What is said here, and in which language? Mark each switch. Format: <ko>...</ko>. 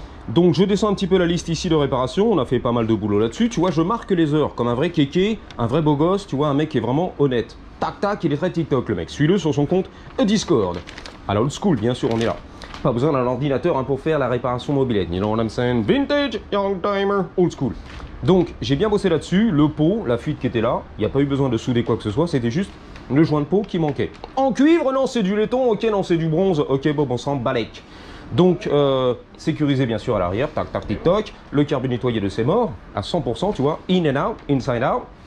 <fr>Donc je descends un petit peu la liste ici de réparation, on a fait pas mal de boulot là-dessus. Tu vois, je marque les heures comme un vrai kéké, un vrai beau gosse, tu vois, un mec qui est vraiment honnête. Tac tac, il est très TikTok le mec, suis-le sur son compte Discord. À l'old school, bien sûr, on est là. Pas besoin d'un ordinateur hein, pour faire la réparation mobilette.</fr> <en>You know what I'm saying?</en> <fr>Vintage, young timer, old school. Donc, j'ai bien bossé là-dessus. Le pot, la fuite qui était là. Il n'y a pas eu besoin de souder quoi que ce soit. C'était juste le joint de pot qui manquait. En cuivre, non, c'est du laiton. Ok, non, c'est du bronze. Ok, bon, on s'en balèque. Donc, sécurisé bien sûr à l'arrière. Tac, tac, tic, toc. Le carbone nettoyé de ses morts à 100%, tu vois.</fr> <en>In and out, inside out.</en>